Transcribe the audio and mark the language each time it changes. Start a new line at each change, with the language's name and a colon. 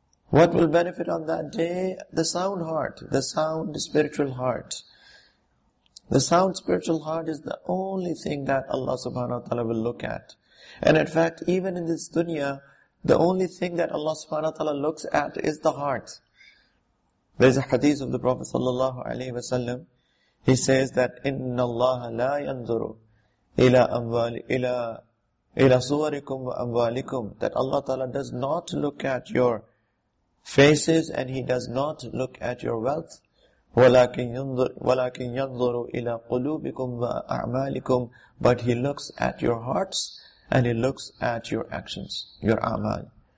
English: What will benefit on that day? The sound heart, the sound spiritual heart. The sound spiritual heart is the only thing that Allah subhanahu wa ta'ala will look at. And in fact, even in this dunya, the only thing that Allah subhanahu wa ta'ala looks at is the heart. There is a hadith of the Prophet sallallahu alayhi wa sallam. He says that,
Arabic: إِنَّ اللَّهَ لَا يَنْظُرُ إِلَى صُوَرِكُمْ وَأَمْوَالِكُمْ.
English: That Allah ta'ala does not look at your faces and he does not look at your wealth.
Arabic: وَلَكِنْ يَنْظُرُ إِلَىٰ قُلُوبِكُمْ وَأَعْمَالِكُمْ.
English: But he looks at your hearts and he looks at your actions, your a'mal.